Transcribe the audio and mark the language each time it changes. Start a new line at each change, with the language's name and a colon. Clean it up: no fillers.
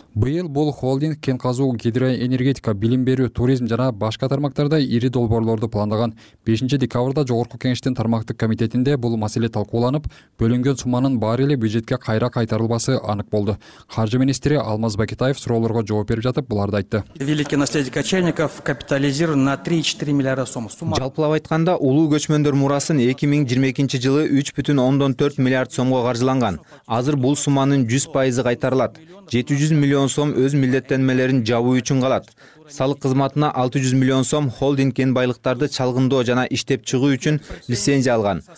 Kyrgyz: Быйыл бул холдинг кен казуу, гидроэнергетика, билим берүү, туризм жана башка тармактарда ири долбоорлорду пландаган. 5-декабрда жогорку кеңештин тармактык комитетинде бул маселе талкууланып, бөлүнгөн суманын баары эле бюджетке кайра кайтарылбасы анык болду. Каржы министри Алмаз Бакитаев суроолорго жооп берип жатып, буларды айтты.
Russian: Великий наследие кочевников капитализирован на 3-4 миллиарда сом.
Kyrgyz: Жалпылап айтканда, Улуу Көчмөндөр мурасын 2022 жылы 3,4 миллиард сомго каржыланган. Азыр бул суманын 100% кайтарылат. 700 миллион миллион сом өз милдеттенмелерин жабуу үчүн калат. Салык кызматына 600 миллион сом холдинг кен байлыктарды чалгындоо жана иштеп чыгуу үчүн лицензия алган.